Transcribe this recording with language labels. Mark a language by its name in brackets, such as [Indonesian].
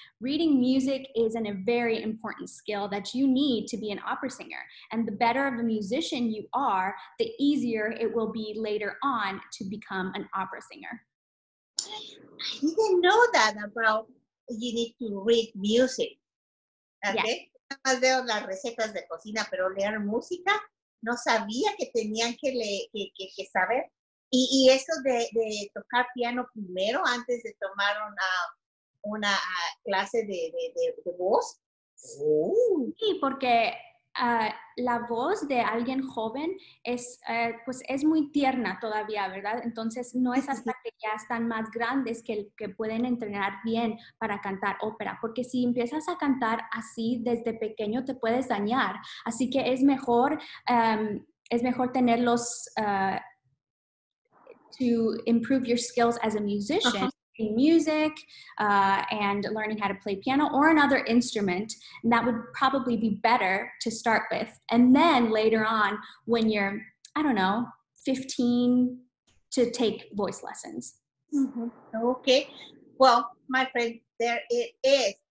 [English] Reading music is a very important skill that you need to be an opera singer. And the better of a musician you are, the easier it will be later on to become an opera singer. I didn't know that about you need to read music. Okay? Yeah. [Spanish] Leo las recetas de cocina, pero leer música, no sabía que tenían que leer, que saber. Y eso de tocar piano primero antes de tomar una clase de voz. Ooh. Sí, porque la voz de alguien joven es muy tierna todavía, ¿verdad? Entonces no es hasta que ya están más grandes que pueden entrenar bien para cantar ópera, porque si empiezas a cantar así desde pequeño te puedes dañar, así que es mejor tenerlos [English] to improve your skills as a musician. Uh-huh. Music and learning how to play piano or another instrument, and that would probably be better to start with. And then later on, when you're, I don't know, 15, to take voice lessons. Mm-hmm. Okay. Well, my friend, there it is.